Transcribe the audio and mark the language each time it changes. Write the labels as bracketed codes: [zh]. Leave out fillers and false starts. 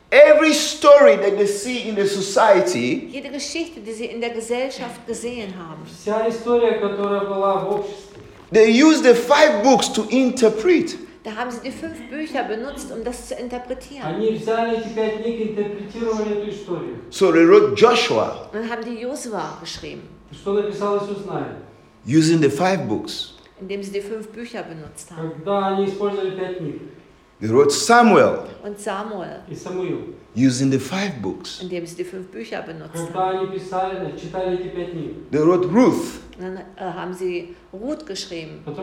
[en] Every story that they see in the society, [de] jede Geschichte, die sie in der Gesellschaft gesehen haben, [ru] вся история, которая была в обществе, [en] they use the five books to interpret. [de] Da haben sie die fünf Bücher benutzt, um das zu interpretieren. [ru] Они взяли эти пять книг и интерпретировали эту историю. [en] So they wrote Joshua. [de] Dann haben die Josua geschrieben. [ru] Что написал Иисус Навин? [en] Using the five books. [de] Indem sie die fünf Bücher benutzt haben. [ru] Когда они использовали пять книг. [en] They wrote Samuel. [de] Und Samuel. [ru] И Самуил. [en] Using the five books. [de] Indem sie die fünf Bücher benutzt haben. [ru] Когда они писали, читали эти пять книг. [en] They wrote Ruth. [de] Dann haben sie Ruth geschrieben.